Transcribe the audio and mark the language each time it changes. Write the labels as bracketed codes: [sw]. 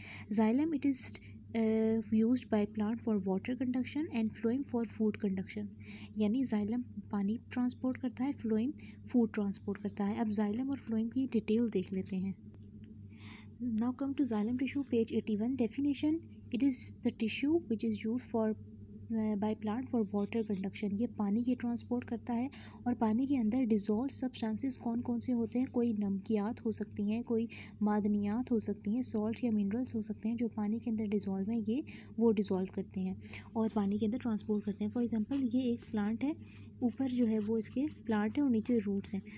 [en] Xylem it is used by plant for water conduction and phloem for food conduction. [ur] یعنی زائلم پانی transport کرتا ہے, phloem food transport کرتا ہے. اب زائلم اور فلوئم کی ڈیٹیل دیکھ لیتے ہیں. [en] Now come to xylem tissue page 81 definition. It is the tissue which is use for by plant for water conduction. [ur] یہ پانی کی ٹرانسپورٹ کرتا ہے اور پانی کے اندر ڈیزولو سبسٹانسز کون کون سے ہوتے ہیں؟ کوئی نمکیات ہو سکتی ہیں, کوئی معدنیات ہو سکتی ہیں, سالٹ یا منرلس ہو سکتے ہیں جو پانی کے اندر ڈیزولو ہیں, یہ وہ ڈیزولو کرتے ہیں اور پانی کے اندر ٹرانسپورٹ کرتے ہیں. [en] for example [ur] یہ ایک پلانٹ ہے, اوپر جو ہے وہ اس کے پلانٹ ہیں اور نیچے روٹس ہیں.